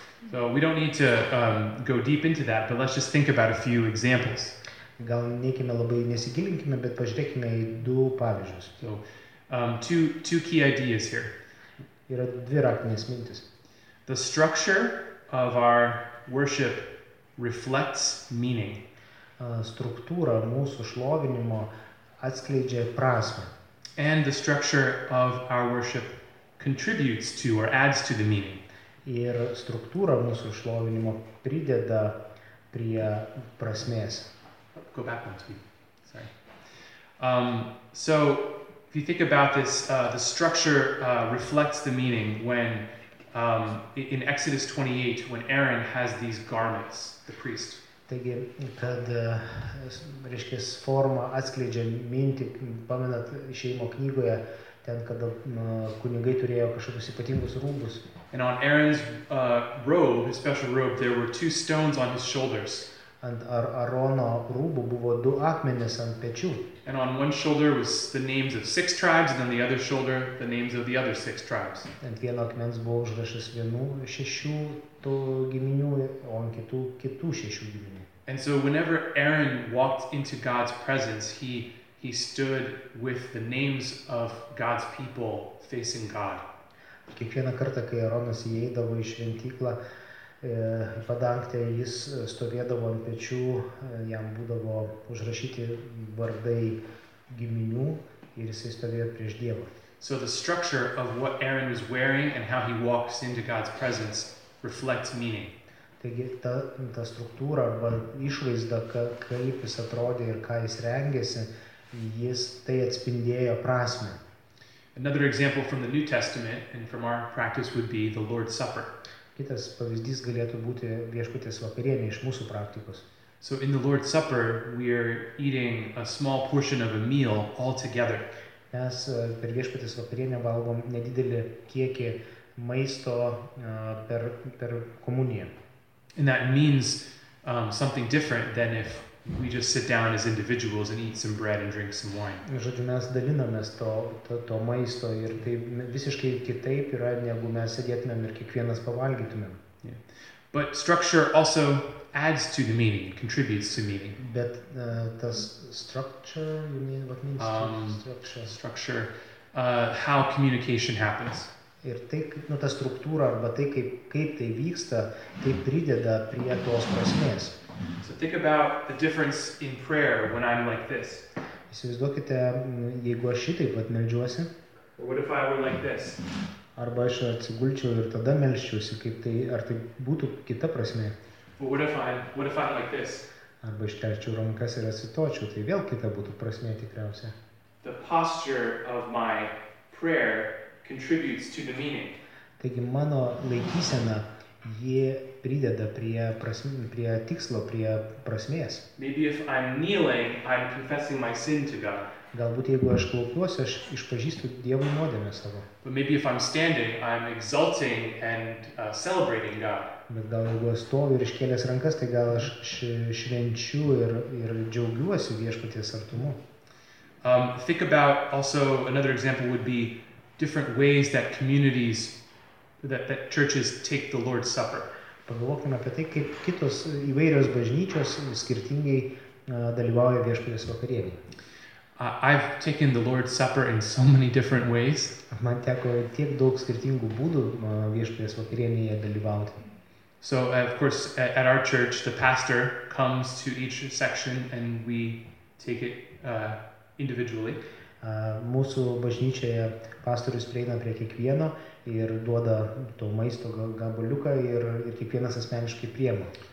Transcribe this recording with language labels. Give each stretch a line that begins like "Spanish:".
English: So we don't need to go deep into that, but let's just think about a few examples.
Lithuanian: Gal neikime labai nesigilinkime, bet pažiūrėkime į du pavyzdžius.
English: So, two key ideas here.
Lithuanian: Yra dvi raktinės mintis.
English: The structure of our worship reflects meaning.
Lithuanian: Struktūra mūsų šlovinimo atskleidžia prasmę.
English: And the structure of our worship contributes to or adds to the meaning.
Lithuanian: Ir struktūra mūsų šlovinimo prideda prie prasmės.
English: Go back one, sweetie. Sorry. So if you think about this, the structure reflects the meaning when in Exodus 28, when Aaron has these garments, the priest.
Lithuanian: Taigi, kad, reiškia, forma atskleidžia mintį, pamenat, išėjimo knygoje, ten, kada kunigai turėjo kažkokius ypatingus rūbus.
English: And on Aaron's robe, his special robe, there were two stones on his shoulders.
Lithuanian: Ant Arono rūbų buvo du akmenys ant pečių.
English: And on one shoulder was the names of six tribes, and on the other shoulder, the names of the other six tribes.
Lithuanian: Ant vieno akmens buvo užrašas vienų šešių tų giminių, o ant kitų šešių giminių.
English: And so whenever Aaron walked into God's presence, he stood with the names of God's people facing God.
Lithuanian: Kiekvieną kartą, kai Aronas įeidavo į šventyklą, padangtė, jis stovėdavo ant pečių, jam būdavo užrašyti vardai giminių ir jisai stovėjo prieš Dievą.
English: So the structure of what Aaron was wearing and how he walks into God's presence reflects meaning.
Lithuanian: Taigi ta struktūra arba išvaizda, kaip jis atrodė ir ką jis rengėsi, jis tai atspindėjo prasmę.
English: Another example from the New Testament and from our practice would be the Lord's Supper.
Lithuanian: Kitas pavyzdys galėtų būti Viešpaties vakarienė iš mūsų praktikos.
English: So in the Lord's Supper we are eating a small portion of a meal all together.
Lithuanian: Mes per Viešpaties vakarienę valgom nedidelį kiekį maisto per komuniją.
English: And that means something different than if we just sit down as individuals and eat some bread and drink some wine.
Lithuanian: Žodžiu, mes dalinamės to maisto ir tai visiškai kitaip yra, negu mes sėdėtumėm ir kiekvienas pavalgytumėm.
English: Yeah. But structure also adds to the meaning, contributes to meaning.
Lithuanian: Bet tas
English: structure, you mean, what means structure? Structure, how communication happens.
Lithuanian: Ir tai, nu, ta struktūra arba tai, kaip tai vyksta, tai prideda prie tos prasmės.
English: So think about the difference in prayer when I'm like this.
Lithuanian: Įsivaizduokite, jeigu aš šitaip pat meldžiuosi.
English: Or what if I were like this?
Lithuanian: Arba aš atsigulčiau ir tada melščiausi, kaip tai, ar tai būtų kita prasmė.
English: Or what if I'm like this?
Lithuanian: Arba iškelčiau rankas ir atsitočiau, tai vėl kita būtų prasmė tikriausia.
English: The posture of my prayer contributes to the meaning.
Lithuanian: Taigi mano laikysena, ji prideda prie tikslo, prie prasmės.
English: Maybe if I'm kneeling, I'm confessing my sin to God.
Lithuanian: Galbūt jeigu aš klaupiuosi, aš išpažįstu Dievo nuodėmę savo.
English: But maybe if I'm standing, I'm exulting and celebrating God.
Lithuanian: Bet gal jeigu aš stoviu ir iškėlęs rankas, tai gal aš švenčiu ir džiaugiuosi Viešpaties artumu.
English: Think about also another example would be different ways that communities that churches take the Lord's Supper.
Lithuanian: Pagalvokime apie tai, kaip kitos įvairios bažnyčios skirtingai dalyvauja Viešpaties vakarienėje.
English: I've taken the Lord's Supper in so many different ways.
Lithuanian: Man teko tiek daug skirtingų būdų Viešpaties vakarienėje dalyvauti.
English: So of course at our church the pastor comes to each section and we take it individually.
Lithuanian: Mūsų bažnyčioje pastorius prieina prie kiekvieno ir duoda to maisto gabaliuką ir kiekvienas asmeniškai priema.